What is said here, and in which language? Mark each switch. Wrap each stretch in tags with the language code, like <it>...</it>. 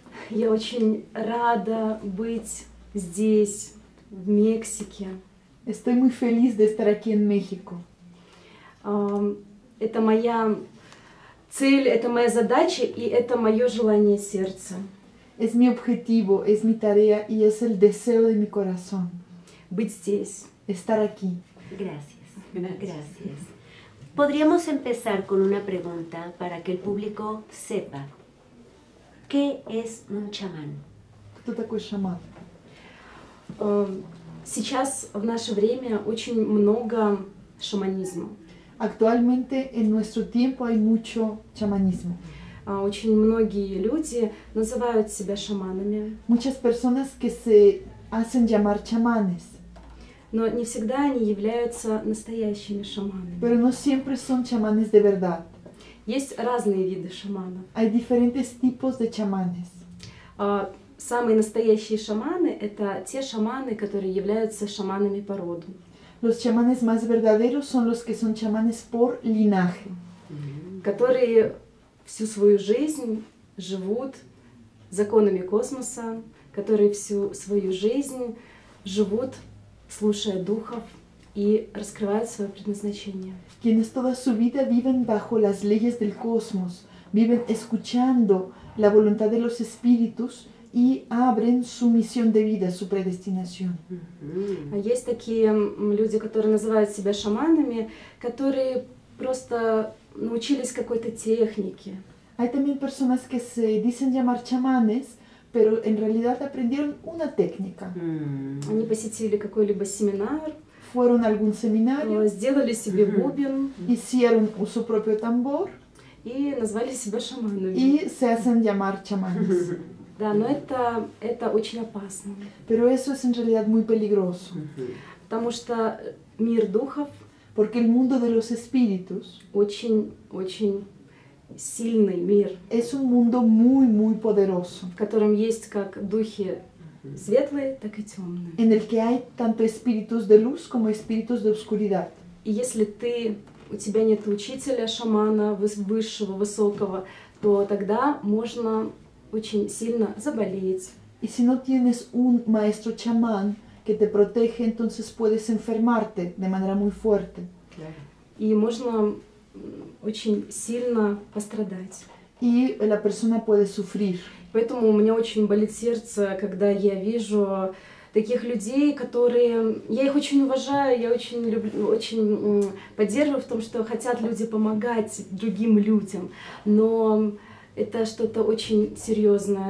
<ru>Я очень рада быть здесь, в Мексике.</ru> <es>Estoy muy feliz de estar aquí en México.</es> <ru>Это моя цель, это моя задача и это мое желание сердца.</ru> <es>Es mi objetivo, es mi tarea y es el deseo de mi corazón.</es> <ru>Быть здесь.</ru> <es>Estar aquí. Gracias. Gracias. Podríamos empezar con una pregunta para que el público sepa. ¿Qué es un chamán?</es> <ru>Кто такой шаман? Сейчас в наше время очень много шаманизма.</ru> <es>Actualmente en nuestro tiempo hay mucho chamanismo.</es> <ru>Очень многие люди называют себя шаманами.</ru> <es>Muchas personas que se hacen llamar chamanes.</es> <ru>Но не всегда они являются настоящими шаманами.</ru> <es>Pero no siempre son chamanes de verdad.</es> <ru>Есть разные виды шаманов.</ru> <es>Hay diferentes tipos de chamanes.</es> <ru>Самые настоящие шаманы – это те шаманы, которые являются шаманами по роду.</ru> <es>Los chamanes más verdaderos son los que son chamanes por linaje.</es> <ru>Которые всю свою жизнь живут законами космоса, которые всю свою жизнь живут, слушая духов. И раскрывают свое предназначение.</ru> <es>Quienes toda su vida viven bajo las leyes del cosmos, viven escuchando la voluntad de los espíritus y abren su misión de vida, su predestinación.</es> <ru>Есть такие люди, которые называют себя шаманами, которые просто научились какой-то технике.</ru> <es>Hay también personas que se dicen llamar chamanes, pero en realidad aprendieron una técnica.</es> <ru>Они посетили какой-либо семинар.</ru> <es>Fueron a algún seminario,</es> <ru>сделали себе бубен,</ru> <es>hicieron su propio tambor</es> <ru>и назвали себя шаманами.</ru> <es>И se hacen llamar chamanes.</es> <ru>Да, но это очень опасно.</ru> <es>Pero eso es en realidad muy peligroso.</es> <ru>Потому что мир духов,</ru> <es>porque el mundo de los espíritus,</es> <ru>очень-очень сильный мир.</ru> <es>Es un mundo muy muy poderoso.</es> <ru>В котором есть как духи светлые, так и темные.</ru> <es>En el que hay tanto espíritus de luz como espíritus de oscuridad.</es> <ru>И если ты, у тебя нет учителя, шамана, высшего, высокого, то тогда можно очень сильно заболеть.</ru> <es>Y si no tienes un maestro chamán, que te protege, entonces puedes enfermarte de manera muy fuerte.</es> <ru>Y можно очень сильно пострадать.</ru> <es>И la persona puede sufrir.</es> <ru>Поэтому мне очень болит сердце, когда я вижу таких людей, которые... Я их очень уважаю, я очень люблю, очень поддерживаю в том, что хотят люди помогать другим людям. Но это что-то очень серьезное.</ru>